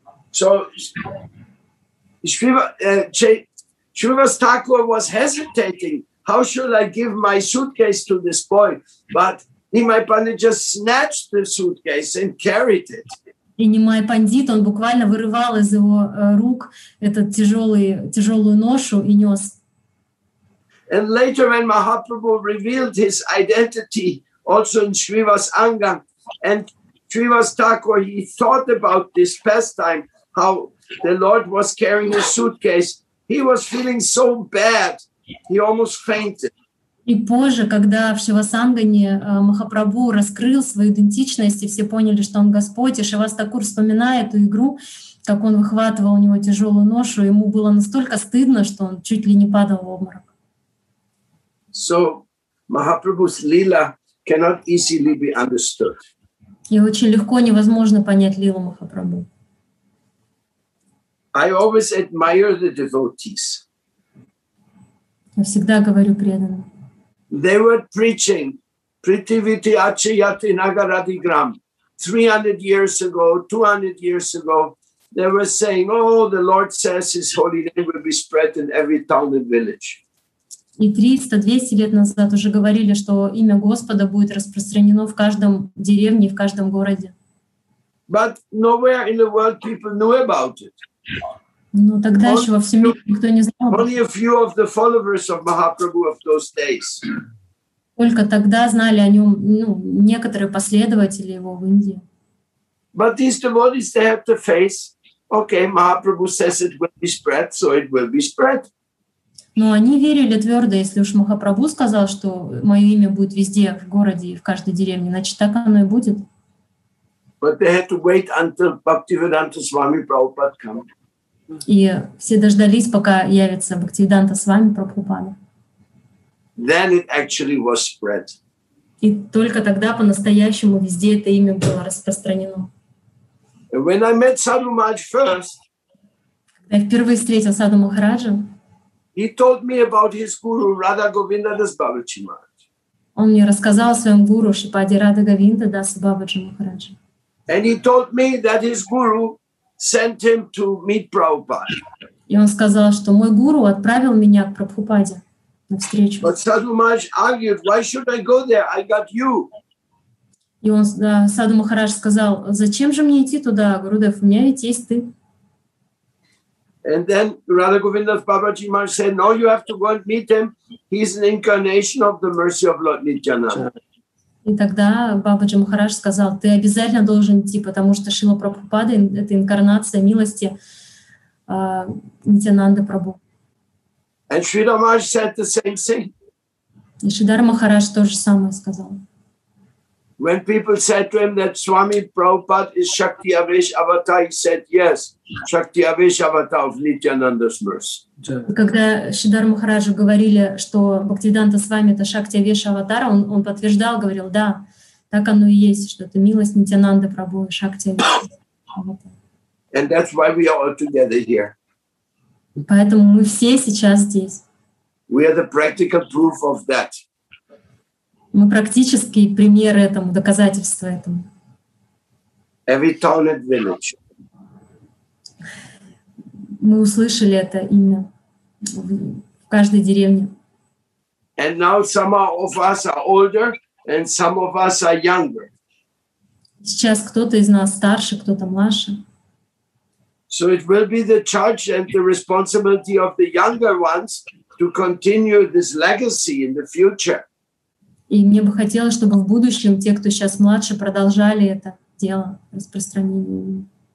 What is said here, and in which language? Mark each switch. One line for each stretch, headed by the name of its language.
English: So, Shrivas Thakur was hesitating, how should I give my suitcase to this boy? But Nimai Pandit just snatched the suitcase and carried it.
Russian: И Нимай Пандит, он буквально вырывал из его рук этот тяжелую ношу и нес.
English: And later when Mahaprabhu revealed his identity also in Shrivas Angam, and Shrivas Thakur, he thought about this pastime, how the Lord was carrying a suitcase. He was feeling so bad, he almost fainted.
Russian: И позже, когда в Шивасангане Махапрабху раскрыл свою идентичность, и все поняли, что он Господь, и Шивас Такур вспоминает эту игру, как он выхватывал у него тяжелую ношу, ему было настолько стыдно, что он чуть ли не падал в обморок.
English: So, Mahaprabhu's lila cannot easily be understood.
Russian: И очень легко невозможно понять лилу Махапрабху.
English: I always admire the devotees.
Russian: Я всегда говорю преданным.
English: They were preaching Prithiviti Achayati Nagaradigram 300 years ago, 200 years ago. They were saying, oh, the Lord says his holy name will be spread in every town and village.
Russian: И 300-200 лет назад уже говорили, что имя Господа будет распространено в каждом деревне, в каждом городе.
English: But nowhere in the world people knew about it.
Russian: Но тогда еще во всем мире никто не знал.
English: Only a few of the followers of Mahaprabhu of those days.
Russian: Только тогда знали о нем, ну, некоторые последователи его в Индии.
English: But these devotees, they have the faith. Okay, Mahaprabhu says it will be spread, so it will be spread.
Russian: Но они верили твердо, если уж Махапрабху сказал, что мое имя будет везде, в городе и в каждой деревне, значит, так оно и будет.
English: But they had to wait until Bhaktivedanta Swami Prabhupada came.
Russian: И все дождались, пока явится Бхактивиданта Свами Прабхупада.
English: Then it actually was spread.
Russian: И только тогда по-настоящему везде это имя было распространено.
English: And when I met Sadhu Maharaj first,
Russian: когда я впервые встретил Саду Махараджа,
English: he told me about his guru Radha Govinda Das Babaji Maharaj.
Russian: Он мне рассказал о своем гуру Шипаде Радха Говинда Дас Бабаджи Махараджа.
English: And he told me that his guru sent him to meet Prabhupada.
Russian: И он сказал, что мой гуру отправил меня к Прабхупаде на встречу.
English: But Sadhu Maharaj argued, why should I go there? I got you.
Russian: И он, да, Саду Махарадж сказал, зачем же мне идти туда, Гурудев, у меня ведь есть ты.
English: And then Radha Govinda Babaji Maharaj said, no, you have to go and meet him. He's an incarnation of the mercy of Lord Nityananda.
Russian: И тогда Бабаджи Махарадж сказал, ты обязательно должен идти, потому что Шрила Прабхупада — это инкарнация милости Нитянанды Прабху.
English: And Shridhar Maharaj said the same thing.
Russian: И Шридхар Махарадж тоже самое сказал.
English: When people said to him that Swami Prabhupada is Shakti Avesh Avatar, he said, yes, Shakti Avesh Avatar of Nityananda's mercy.
Russian: Когда Шридхар Махараджу говорили, что Бхактивиданта Свами — это Шакти Авеш Аватар, он подтверждал, говорил, да, так оно и есть, что это милость Нитянанды Прабху, Шакти Авеш Аватар.
English: And that's why we are all together here.
Russian: Поэтому мы все сейчас здесь.
English: We are the practical proof of that.
Russian: Мы практический пример этому, доказательство этому.
English: Every town and village.
Russian: Мы услышали это имя в каждой деревне.
English: And now some of us are older and some of us are younger.
Russian: Сейчас кто-то из нас старше, кто-то младше.
English: So it will be the charge and the responsibility of the younger ones to continue this legacy in the future.
Russian: И мне бы хотелось, чтобы в будущем те, кто сейчас младше, продолжали это дело распространения.